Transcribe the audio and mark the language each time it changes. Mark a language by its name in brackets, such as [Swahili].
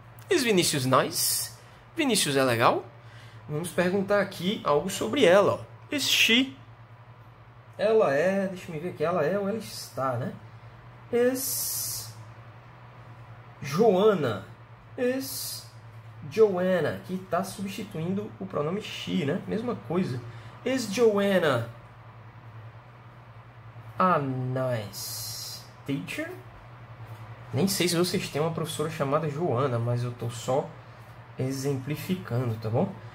[English] Is Vinícius nice? [Portuguese] Vinícius é legal? Vamos perguntar aqui algo sobre ela. [English] Is she? [Portuguese] Ela é, deixa eu ver aqui, ela é ou ela está, né? [English] Is Joana? Is Joanna, [Portuguese] que está substituindo o pronome she, né? Mesma coisa. [English] Is Joanna a nice teacher? [Portuguese] Nem sei se vocês têm uma professora chamada Joana, mas eu estou só exemplificando, tá bom?